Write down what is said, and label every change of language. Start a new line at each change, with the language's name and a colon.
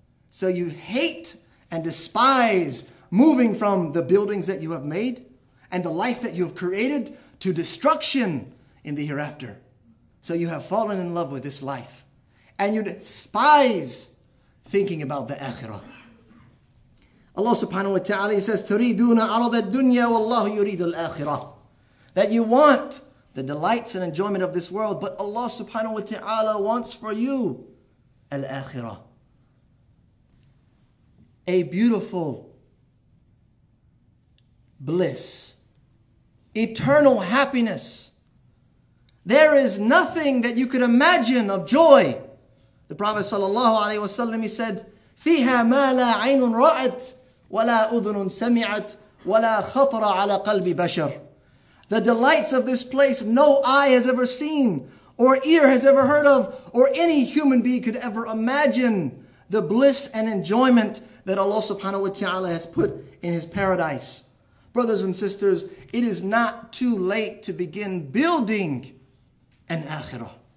English: So you hate and despise moving from the buildings that you have made and the life that you have created to destruction in the hereafter. So you have fallen in love with this life and you despise thinking about the akhirah. Allah subhanahu wa ta'ala says,
Arabic: تُرِيدُونَ عَرَضَ الدُّنْيَا وَاللَّهُ يُرِيدُ الْآخِرَةِ.
English: That you want the delights and enjoyment of this world, but Allah subhanahu wa ta'ala wants for you al-akhirah. A beautiful bliss, eternal happiness. There is nothing that you could imagine of joy. The Prophet sallallahu alayhi wa sallam, he said,
Arabic: فِيهَا مَا لَا عَيْنٌ رَأَتْ وَلَا أُذُنٌ سَمِعَتْ وَلَا خَطْرَ عَلَى قَلْبِ بَشَرٍ.
English: The delights of this place no eye has ever seen, or ear has ever heard of, or any human being could ever imagine. The bliss and enjoyment that Allah subhanahu wa ta'ala has put in His paradise. Brothers and sisters, it is not too late to begin building an akhirah.